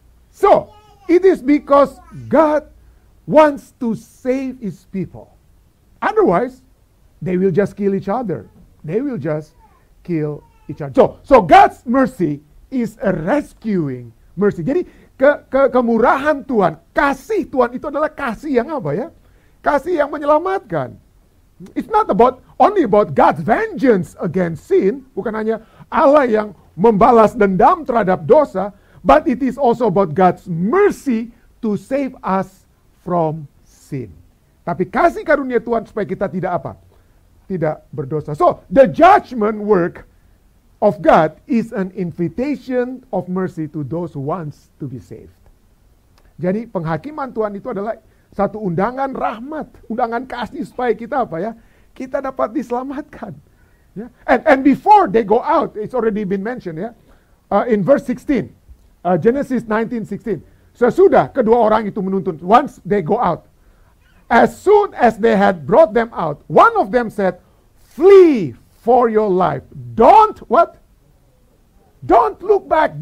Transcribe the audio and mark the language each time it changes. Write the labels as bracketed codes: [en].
[en] So it is because God wants to save his people. Otherwise, they will just kill each other. They will just kill each other. So God's mercy is a rescuing mercy. [id] Jadi kemurahan Tuhan, kasih Tuhan itu adalah kasih yang apa ya? Kasih yang menyelamatkan. [en] It's not about only about God's vengeance against sin, [id] bukan hanya Allah yang membalas dendam terhadap dosa, [en] but it is also about God's mercy to save us from sin. [id] Tapi kasih karunia Tuhan supaya kita tidak apa? Tidak berdosa. [en] So, the judgment work of God is an invitation of mercy to those who wants to be saved. [id] Jadi penghakiman Tuhan itu adalah satu undangan rahmat, undangan kasih supaya kita apa ya? Kita dapat diselamatkan. [en] Yeah. And before they go out, it's already been mentioned, yeah. In verse 16, Genesis 19:16. [id] Sesudah kedua orang itu menuntun, [en] once they go out. As soon as they had brought them out, one of them said, "Flee for your life. Don't what? Don't look back.